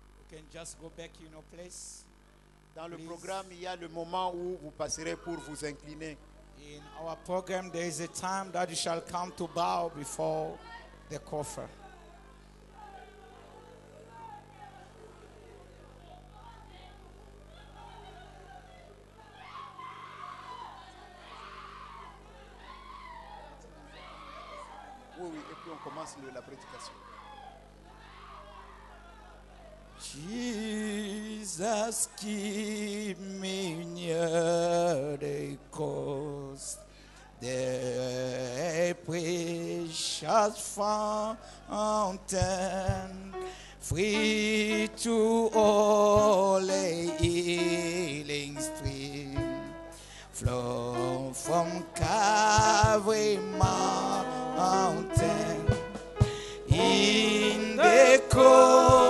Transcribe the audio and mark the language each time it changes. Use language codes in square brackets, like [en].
[en] You can just go back in your place. [fr] Dans le programme, il y a le moment où vous passerez pour vous incliner. [en] In our program, there is a time that you shall come to bow before the coffer. [fr] Oui, oui, et puis on commence la prédication. [en] Jesus, keep me near the coast, the precious fountain, free to all a healing stream, flow from Calvary mountain in the coast.